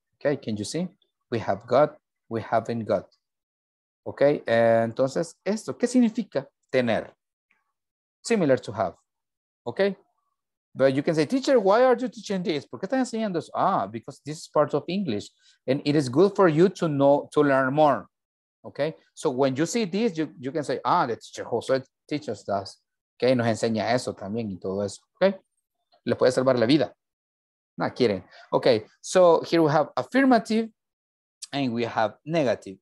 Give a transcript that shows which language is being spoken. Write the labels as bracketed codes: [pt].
[en] Okay, can you see? We have got. We haven't got. Okay, [es] entonces, esto, ¿qué significa tener? [en] Similar to have. Okay? But you can say, teacher, why are you teaching this? [es] ¿Por qué están enseñando eso? [en] Ah, because this is part of English. And it is good for you to know, to learn more. Okay, so when you see this, you can say, ah, the teacher Josué teaches us. [es] Okay, nos enseña eso también y todo eso. Okay, le puede salvar la vida. No quieren. [en] Okay, so here we have affirmative and we have negative.